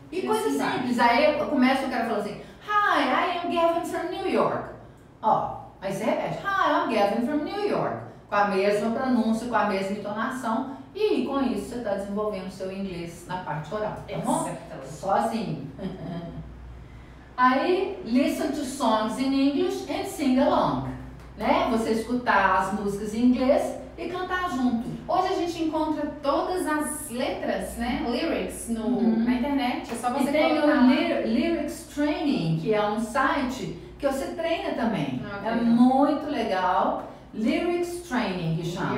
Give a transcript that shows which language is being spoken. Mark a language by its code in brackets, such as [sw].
[pt] E coisa simples. Aí eu começo, o cara fala assim, [en] Hi, I am Gavin from New York. [pt] Ó, aí você repete, [en] Hi, I'm Gavin from New York. [pt] Com a mesma pronúncia, com a mesma entonação. E com isso você está desenvolvendo o seu inglês na parte oral, tá bom? Só assim. Aí, [en] listen to songs in English and sing along. [pt] Né? Você escutar as músicas em inglês e cantar junto. Hoje a gente encontra todas as letras, né? Lyrics no, na internet. É só você colocar. E tem o Lyrics Training, que é um site que você treina também. Okay. É muito legal. Lyrics Training, que chama.